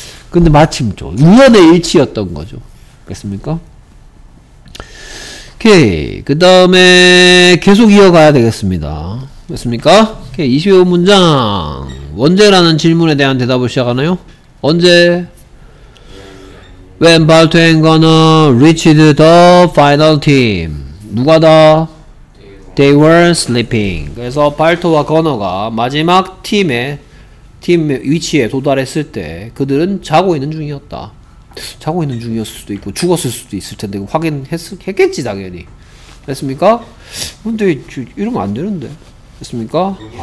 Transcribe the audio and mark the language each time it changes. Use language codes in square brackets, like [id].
[ko] 근데 마침 저 우연의 일치였던 거죠. 됐습니까? 오케이. 그 다음에 계속 이어가야 되겠습니다. 됐습니까? 오케이. 25 문장. 언제라는 질문에 대한 대답을 시작하나요? 언제? [en] When Balto and Connor reached the final team. [ko] 누가 다? [en] They were sleeping. [ko] 그래서 발토와 건어가 마지막 팀 위치에 도달했을 때 그들은 자고 있는 중이었다. 자고 있는 중이었을 수도 있고 죽었을 수도 있을 텐데 확인했겠지 당연히. 됐습니까? 근데 이러면 안 되는데. 됐습니까?